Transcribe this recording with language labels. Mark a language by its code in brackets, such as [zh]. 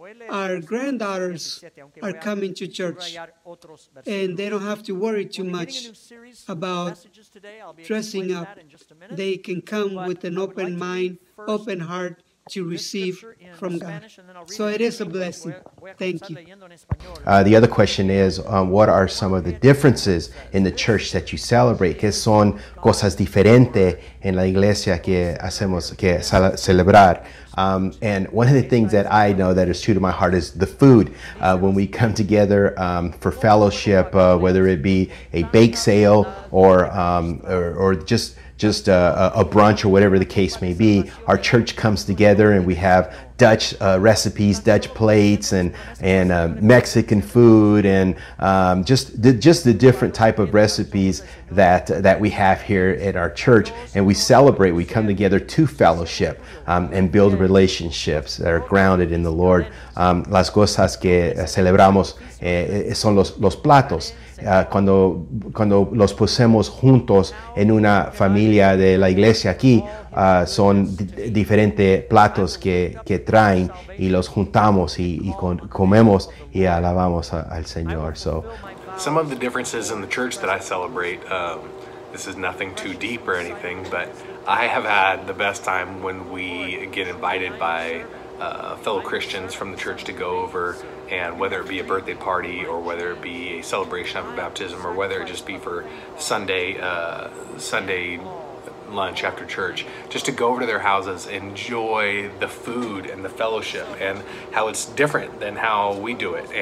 [en] Our granddaughters are coming to church, and they don't have to worry too much about dressing up. They can come with an open mind, open heart, to receive from God. So it is a blessing. Thank you. The other question is, what are some of the differences in the church that you celebrate? [es] ¿Qué son cosas diferentes en la iglesia que hacemos que celebrar? [en] And one of the things that I know that is true to my heart is the food. When we come together for fellowship, whether it be a bake sale or just a brunch or whatever the case may be, our church comes together and we have Dutch recipes, Dutch plates, and Mexican food, and just the different type of recipes that we have here at our church. And we celebrate, we come together to fellowship and build relationships that are grounded in the Lord. [es] Las cosas que celebramos son los platos. Cuando los ponemos juntos en una familia de la iglesia aquí, son diferentes platos que traen y los juntamos y comemos y alabamos al Señor. [en] So, some of the differences in the church that I celebrate, this is nothing too deep or anything, but I have had the best time when we get invited by fellow Christians from the church to go over, and whether it be a birthday party or whether it be a celebration of a baptism or whether it just be for Sunday lunch after church, just to go over to their houses, enjoy the food and the fellowship and how it's different than how we do it.